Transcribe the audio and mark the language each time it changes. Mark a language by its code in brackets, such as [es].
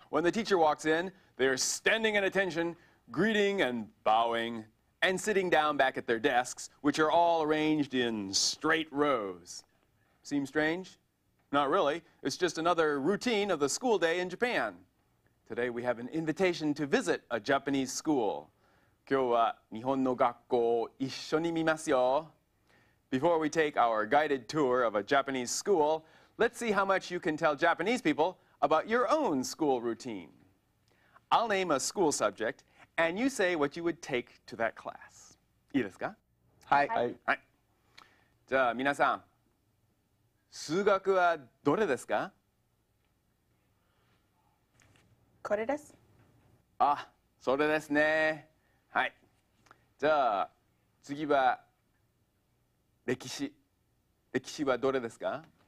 [en] When the teacher walks in, they are standing at attention, greeting and bowing, and sitting down back at their desks, which are all arranged in straight rows. Seem strange? Not really. It's just another routine of the school day in Japan. Today we have an invitation to visit a Japanese school. [ja] 今日は日本の学校を一緒に見ますよ。 [en] Before we take our guided tour of a Japanese school, let's see how much you can tell Japanese people about your own school routine. I'll name a school subject, and you say what you would take to that class. [ja] いいですか？はい。はい。じゃあ皆さん、数学はどれですか？これです。あ、それですね。はい。じゃあ次は歴史はどれですか？